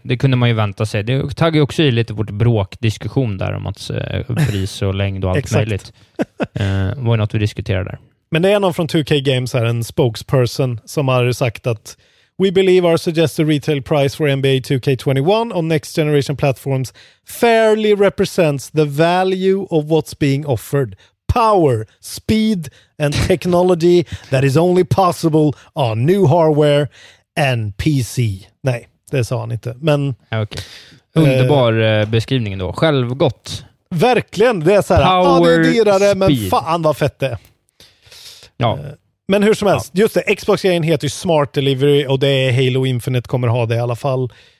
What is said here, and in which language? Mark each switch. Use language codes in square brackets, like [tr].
[sv] Det kunde man ju vänta sig. Det taggade också i lite vårt bråkdiskussion där om att pris och längd och allt möjligt. Var det något vi diskuterade där? Men det är någon från 2K Games här, en spokesperson, som har sagt att [en] we believe our suggested retail price for NBA 2K21 on next generation platforms fairly represents the value of what's being offered. Power, speed and technology that is only possible on new hardware and PC. [sv] Nej, det sa han inte. Men, [en] okay. [sv] Underbar beskrivning då. Självgott. Verkligen. Det är så här, power, det är dyrare, speed. Men fan vad fett det är. Ja. Men hur som helst, just det, Xbox-grejen heter ju Smart Delivery, och det är Halo Infinite kommer ha det i alla fall.